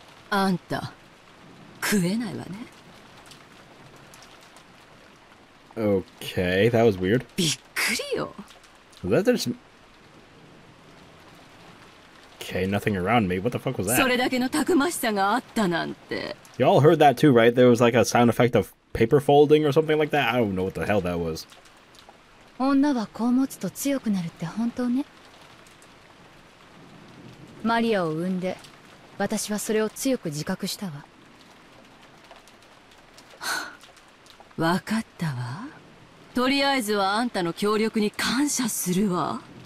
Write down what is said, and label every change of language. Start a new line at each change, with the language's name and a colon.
Japanese: あんた、食えないわね。
English: Okay, that was weird.
Japanese: びっくりよ。
English: Okay, nothing around me. What the fuck was that?
Japanese: それだけのたくましさがあったなんて。
English: Y'all heard that too, right? There was like a sound effect of paper folding or something like that. I don't know what the hell that was.
Japanese: 女はこう持つと強くなるって本当ね。マリアを産んで、私はそれを強く自覚したわ。わかったわ。とりあえずはあんたの協力に感謝するわ。